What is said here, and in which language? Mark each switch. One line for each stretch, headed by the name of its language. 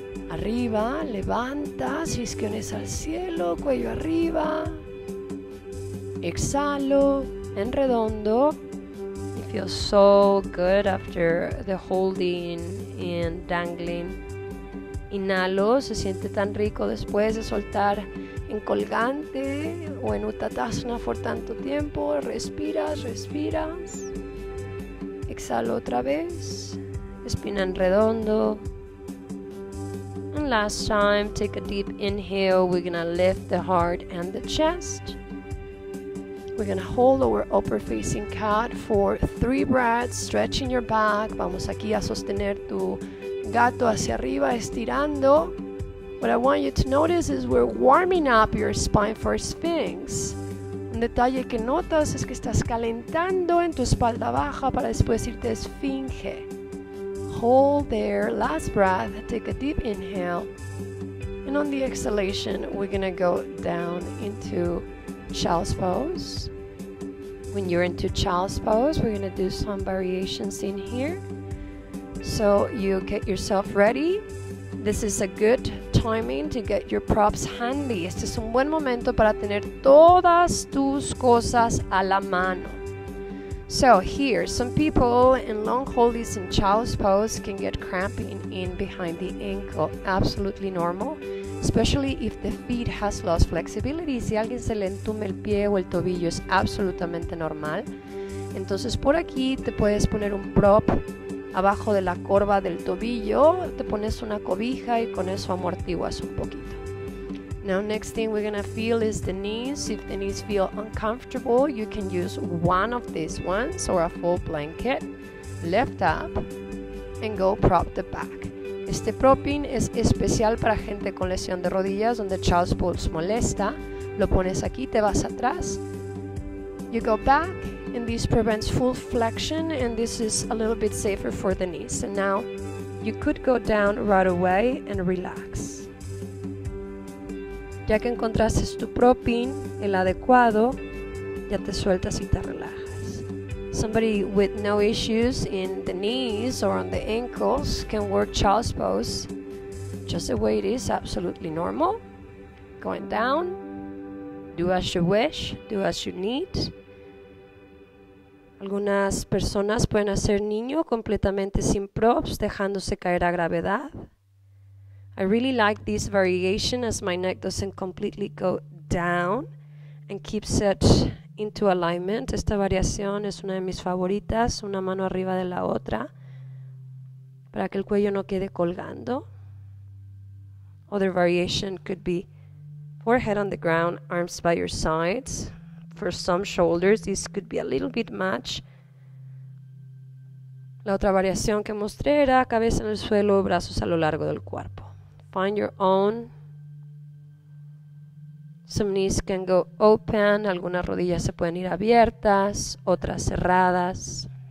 Spanish: Arriba, levanta, isquiones al cielo, cuello arriba. Exhalo, en redondo.
English: It feels so good after the holding and dangling.
Spanish: Inhalo, se siente tan rico después de soltar en colgante o en utatasana por tanto tiempo. Respiras, respiras. Exhalo otra vez. Espina en redondo.
English: And last time, take a deep inhale. We're gonna lift the heart and the chest. We're going to hold our upper facing cat for three breaths, stretching your back.
Spanish: Vamos aquí a sostener tu gato hacia arriba, estirando.
English: What I want you to notice is we're warming up your spine for Sphinx.
Spanish: Un detalle que notas es que estás calentando en tu espalda baja para después irte a Esfinge.
English: Hold there, last breath, take a deep inhale. And on the exhalation, we're going to go down into Child's Pose. When you're into Child's Pose, we're going to do some variations in here. So you get yourself ready. This is a good timing to get your props handy.
Spanish: Este es un buen momento para tener todas tus cosas a la mano.
English: So here, some people in long holdies in Child's Pose can get cramping in behind the ankle. Absolutely normal. Especially if the feet has lost flexibility.
Spanish: Si alguien se le entume el pie o el tobillo, es absolutamente normal. Entonces por aquí te puedes poner un prop abajo de la corva del tobillo. Te pones una cobija y con eso amortiguas un poquito.
English: Now, next thing we're going to feel is the knees. If the knees feel uncomfortable, you can use one of these ones or a full blanket. Lift up and go prop the back.
Spanish: Este propping es especial para gente con lesión de rodillas donde child's pose molesta. Lo pones aquí, te vas atrás.
English: You go back. And this prevents full flexion, and this is a little bit safer for the knees. And now you could go down right away and relax.
Spanish: Ya que encontraste tu propping, el adecuado, ya te sueltas y te relajas.
English: Somebody with no issues in the knees or on the ankles can work child's pose just the way it is, absolutely normal. Going down, do as you wish, do as you need.
Spanish: Algunas personas pueden hacer niño completamente sin props, dejándose caer a gravedad.
English: I really like this variation as my neck doesn't completely go down and keeps it into alignment.
Spanish: Esta variación es una de mis favoritas, una mano arriba de la otra, para que el cuello no quede colgando.
English: Other variation could be forehead on the ground, arms by your sides. For some shoulders, this could be a little bit much.
Spanish: La otra variación que mostré era cabeza en el suelo, brazos a lo largo del cuerpo.
English: Find your own. Some knees can go open.
Spanish: Algunas rodillas se pueden ir abiertas, otras cerradas.